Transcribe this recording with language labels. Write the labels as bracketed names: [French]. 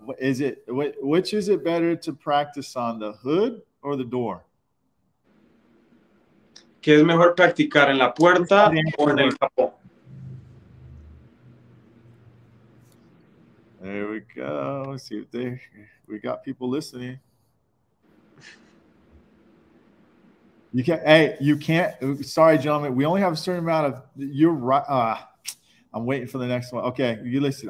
[English] Is it, which is it better to practice on, the hood or the door? [Spanish] ¿Qué es mejor, practicar en la puerta o en el capó? [English] There we go. Let's see if they, we got people listening. You can't, hey, you can't, sorry, gentlemen. We only have a certain amount of, I'm waiting for the next one. Okay, you listen.